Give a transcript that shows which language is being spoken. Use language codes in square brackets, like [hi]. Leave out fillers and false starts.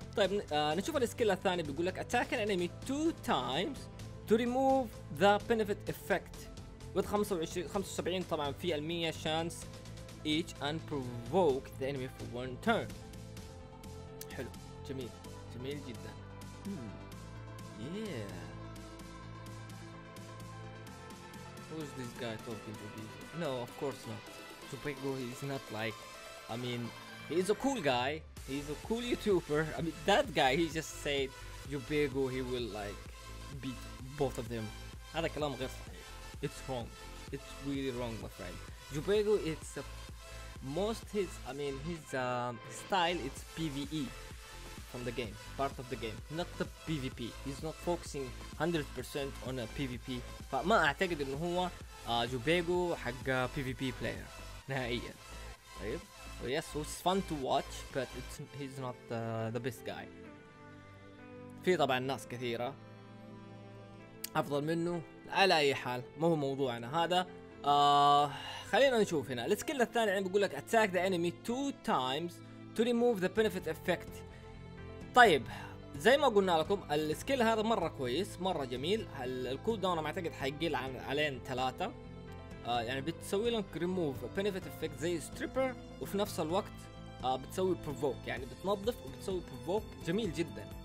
[ar] طيب نشوف السكيل الثاني، بيقول لك [en] attack enemy 2 times to remove the benefit effect with 25 75 [ar] طبعا في المية شانس [en] each and provoke the enemy for one turn. [ar] حلو جميل جميل جدا. [en] yeah who's this guy talking to me? No of course not Supego. He's not like, I mean he's a cool guy, he's a cool YouTuber. I mean that guy, he just said Supego he will like beat both of them. [ar] هذا كلام غير صحيح. [en] It's wrong. It's really wrong, my friend. Jubego, it's most his. I mean, his style. It's PVE from the game, part of the game, not the PVP. He's not focusing 100% on a PVP. [ar] But ما أعتقد إنه هو Jubego حق PVP player نهائياً. طيب. [en] Well, yes, so it's fun to watch, but it's he's not the best guy. [ar] في طبعاً ناس كثيرة أفضل منه. على أي حال مو هو موضوعنا هذا. خلينا نشوف هنا السكيل الثاني، يعني بيقول لك [en] attack the enemy two times to remove the benefit effect. [ar] طيب زي ما قلنا لكم السكيل هذا مرة كويس مرة جميل. الكول داون أعتقد حيقل عن علين ثلاثة، يعني بتسوي لك [en] remove benefit effect [ar] زي stripper، وفي نفس الوقت بتسوي provoke، يعني بتنظف وبتسوي provoke. جميل جدا.